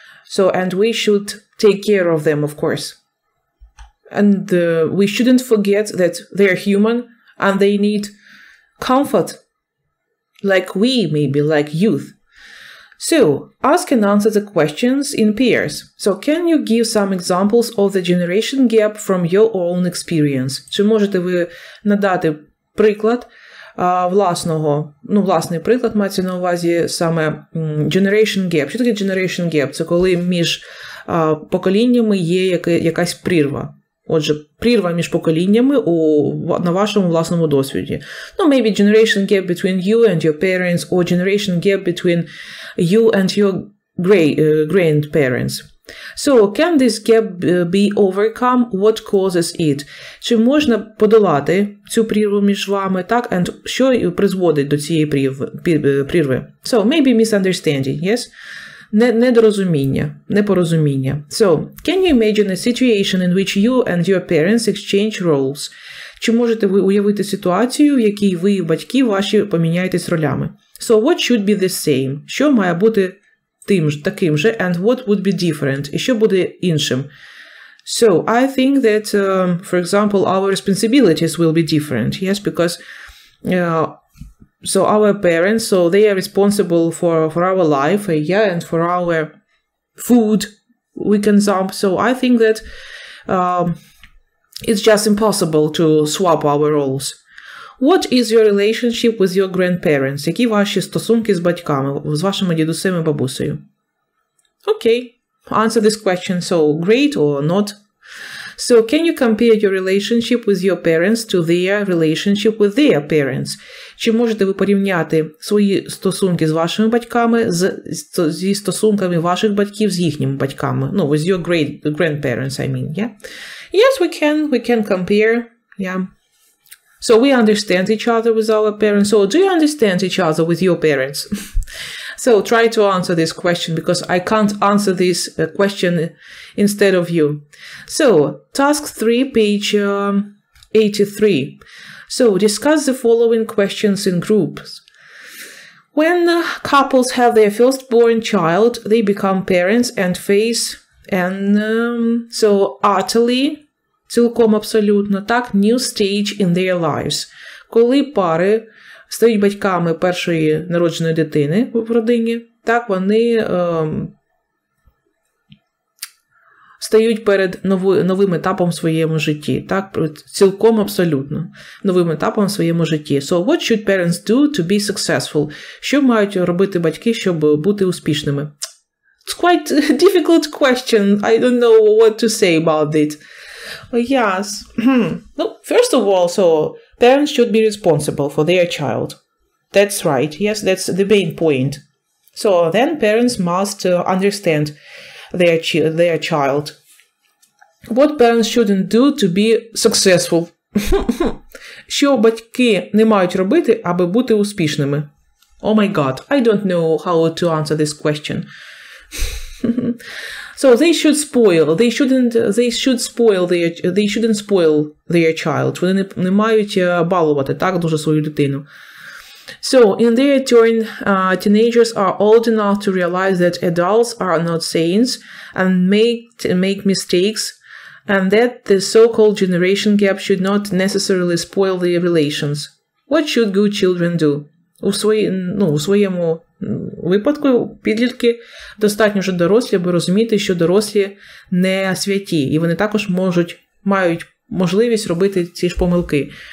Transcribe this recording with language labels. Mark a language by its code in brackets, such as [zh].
[en] So, and we should take care of them, of course. And we shouldn't forget that they're human and they need comfort. Like we, maybe, like youth. So, ask and answer the questions in pairs. So, can you give some examples of the generation gap from your own experience? [uk] Чи можете ви надати приклад? Власного, ну, власний приклад мається на увазі саме generation gap. Що таке generation gap? Це коли між поколіннями є якась прірва. Отже, прірва між поколіннями на вашому власному досвіді. [en] Ну, maybe generation gap between you and your parents or generation gap between you and your grandparents. So, can this gap be overcome? What causes it? [uk] Чи можна подолати цю прірву між вами, так? [en] And [uk] що призводить до цієї прірви? [en] So, maybe misunderstanding, yes? [uk] Недорозуміння, непорозуміння. [en] So, can you imagine a situation in which you and your parents exchange roles? [uk] Чи можете ви уявити ситуацію, в якій ви, батьки ваші, поміняєтесь ролями? [en] So, what should be the same? [uk] Що має бути тим же, таким же, [en] and what would be different, [uk] і що буде іншим. [en] So, I think that, for example, our responsibilities will be different, yes, because, so our parents, so they are responsible for our life, yeah, and for our food we consume. So, I think that it's just impossible to swap our roles. What is your relationship with your grandparents? [uk] Які ваші стосунки з батьками, з вашими дідусями, бабусею? [en] Okay, answer this question. So, great or not? So, can you compare your relationship with your parents to their relationship with their parents? [uk] Чи можете ви порівняти свої стосунки з вашими батьками зі стосунками ваших батьків з їхніми батьками? [en] Ну, with your grandparents, I mean, yeah? Yes, we can compare, yeah. So we understand each other with our parents. So do you understand each other with your parents? So try to answer this question because I can't answer this question instead of you. So task 3, page 83. So discuss the following questions in groups. When couples have their firstborn child, they become parents and face and so utterly, [uk] цілком абсолютно, так, [en] new stage in their lives. [uk] Коли пари стають батьками першої народженої дитини в родині, так, вони стають перед новим етапом в своєму житті, так, цілком абсолютно новим етапом в своєму житті. [en] So what should parents do to be successful? [uk] Що мають робити батьки, щоб бути успішними? [en] It's quite a difficult question. I don't know what to say about it. Yes. Well, first of all, so Parents should be responsible for their child. That's right. Yes, that's the main point. So then parents must understand their child. What parents shouldn't do to be successful? [uk] Що батьки не мають робити, аби бути успішними? [en] Oh my God, I don't know how to answer this question. So they shouldn't spoil their child. [uk] Вони не мають балувати так дуже свою дитину. [en] So in their turn, teenagers are old enough to realize that adults are not saints and make mistakes, and that the so-called generation gap should not necessarily spoil their relations. What should good children do? [uk] У своєму випадку підлітки достатньо вже дорослі, аби розуміти, що дорослі не святі, і вони також мають можливість робити ці ж помилки.